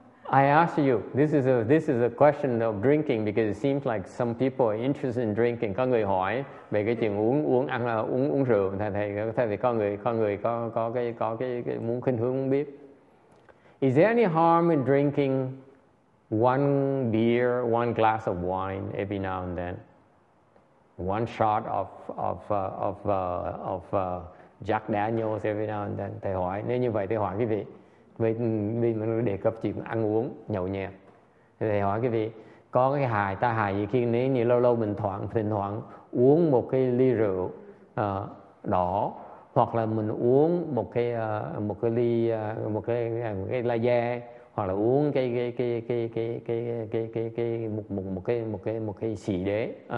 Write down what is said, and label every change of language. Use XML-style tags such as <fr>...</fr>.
<en>I ask you, this is a question of drinking because it seems like some people are interested in drinking.</en> <vi>Có người hỏi về cái chuyện uống rượu. Thầy có người có cái muốn khinh hướng muốn biết.</vi> <en>Is there any harm in drinking one beer, one glass of wine every now and then? One shot of Jack Daniels every now and then.</en> <vi>Thầy hỏi, nếu như vậy thầy hỏi quý vị, vì mình đề cập chuyện ăn uống, nhậu nhẹt. Thầy hỏi quý vị, có cái hại, ta hại gì khi nếu như lâu lâu mình thỉnh thoảng uống một cái ly rượu đỏ, hoặc là mình uống một cái ly la de, hoặc là uống cái xì đế.</vi>